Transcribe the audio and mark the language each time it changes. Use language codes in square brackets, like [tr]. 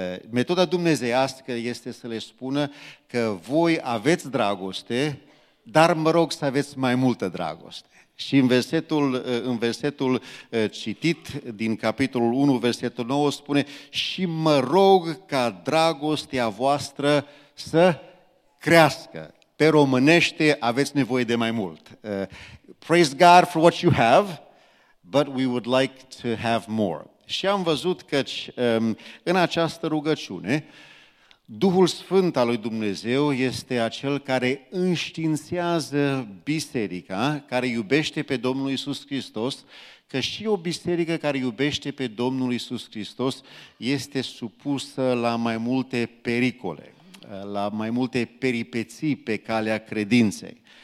[ro] Metoda dumnezeiască este să le spună că voi aveți dragoste, dar mă rog să aveți mai multă dragoste. Și în versetul citit din capitolul 1, versetul 9, spune: și mă rog ca dragostea voastră să crească. Pe românește, aveți nevoie de mai mult. [en] Praise God for what you have, but we would like to have more. [ro] Și am văzut că în această rugăciune, Duhul Sfânt al lui Dumnezeu este acel care înștiințează biserica, care iubește pe Domnul Iisus Hristos, că și o biserică care iubește pe Domnul Iisus Hristos este supusă la mai multe pericole, la mai multe peripeții pe calea credinței.